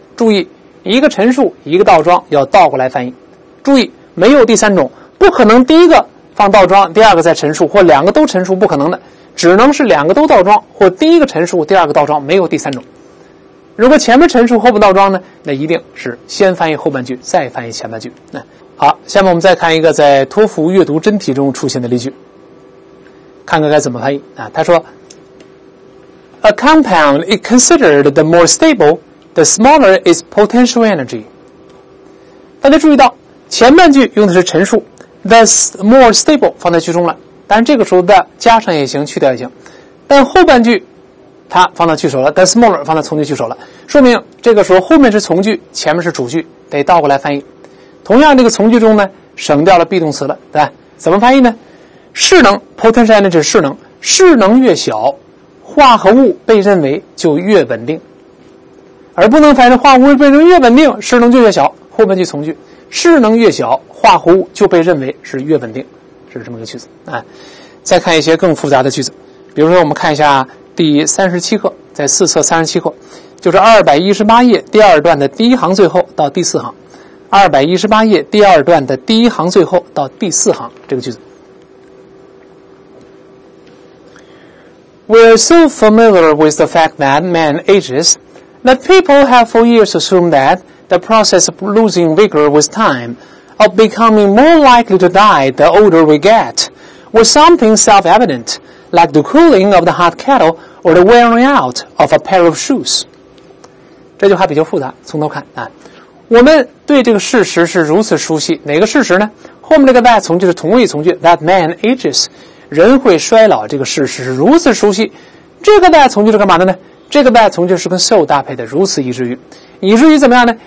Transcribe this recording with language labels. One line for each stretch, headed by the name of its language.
Chinese: 注意一个陈述一个倒装要倒过来翻译，注意没有第三种，不可能第一个放倒装第二个再陈述，或两个都陈述，不可能的，只能是两个都倒装或第一个陈述第二个倒装，没有第三种。如果前面陈述后半倒装呢，那一定是先翻译后半句再翻译前半句。好，下面我们再看一个在托福阅读真题中出现的例句，看看该怎么翻译。他说
English: A compound is considered the more stable the smaller its potential energy。
Chinese: 大家注意到前半句用的是陈述
English: the more stable
Chinese: 放在句中了，但是这个时候的加上也行去掉也行，但后半句它放到句首了，
English: the smaller
Chinese: 放到从句句首了，说明这个时候后面是从句前面是主句，得倒过来翻译。同样这个从句中呢省掉了 be 动词了，对吧？怎么翻译呢？势能 potential energy 势能，势能越小化合物被认为就越稳定，而不能翻译成化合物被认为越稳定势能就越小，后面句从句势能越小化合物就被认为是越稳定，是这么个句子。再看一些更复杂的句子，比如说我们看一下第37课，在四册37课，就是218页第二段的第一行最后到第四行，218页第二段的第一行最后到第四行这个句子。
English: We're so familiar with the fact that man ages that people have for years assumed that the process of losing vigor with time, of becoming more likely to die the older we get, was something self-evidentLike the cooling of the hot kettle or the wearing out of a pair of shoes.
Chinese: 这句话比较复杂，从头看。我们对这个事实是如此熟悉，哪个事实呢？后面这个 that 从句是同义从句，
English: that man ages，
Chinese: 人会衰老，这个事实是如此熟悉。这个 that 从句是干嘛的呢？这个 that 从句是跟 so 搭配的，如此以至于。以至于怎么样呢？